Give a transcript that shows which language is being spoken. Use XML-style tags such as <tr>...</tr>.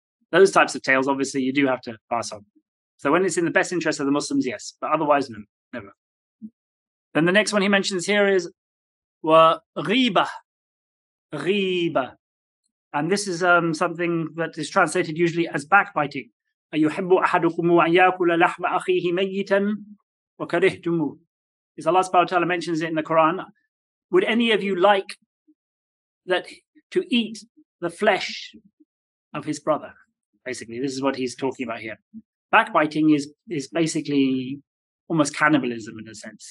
<en>Those types of tales, obviously, you do have to pass on. So when it's in the best interest of the Muslims, yes, but otherwise, no, never. Then the next one he mentions here is ghiba, ghiba. And this is something that is translated usually as backbiting.</en> <ar>أَيُحِبُّ أَحَدُكُمُ أَنْ يَأْكُلَ لَحْمَ أَخِيهِ مَيِّتًا وَكَرِهْتُمُ.</ar> <en>As Allah subhanahu wa ta'ala mentions it in the Quran, would any of you like that to eat the flesh of his brother? Basically, this is what he's talking about here. Backbiting is basically almost cannibalism in a sense.</en>